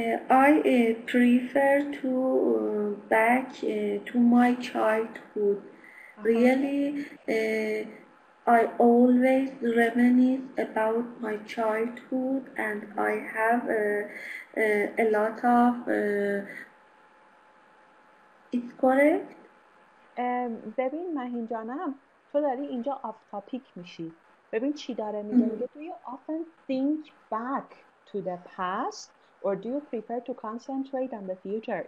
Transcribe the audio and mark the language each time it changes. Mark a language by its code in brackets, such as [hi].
[en] I prefer to back to my childhood. Really, I always reminisce about my childhood, and I have a lot of. It's correct. [fa] ببین مهین جانم تو داری اینجا آف تاپیک میشی. ببین چی داره میگه. میگه [en] do you often think back to the past or do you prefer to concentrate on the future?